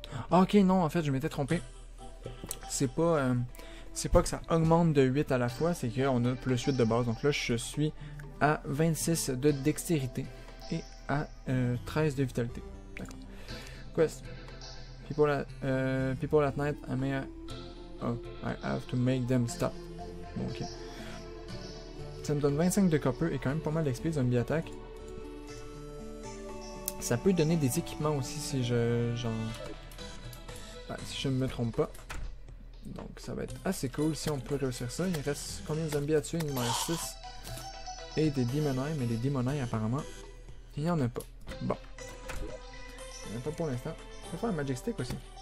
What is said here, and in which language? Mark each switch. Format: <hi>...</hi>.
<fr>Ok, non, en fait, je m'étais trompé. C'est pas que ça augmente de 8 à la fois, c'est qu'on a plus 8 de base. Donc là, je suis à 26 de dextérité et à 13 de vitalité. D'accord. Quest.</fr> <en>People at night, I have to make them stop.</en> <fr>Bon, ok. Ça me donne 25 de copper et quand même pas mal d'XP zombie attaque. Ça peut donner des équipements aussi si je. Si je ne me trompe pas. Donc ça va être assez cool si on peut réussir ça. Il reste combien de zombies à tuer? Il en reste 6. Et des demonaires, mais des demonaires apparemment. Il n'y en a pas. Bon. Il n'y en a pas pour l'instant. On peut faire un Magic Stick aussi.</fr>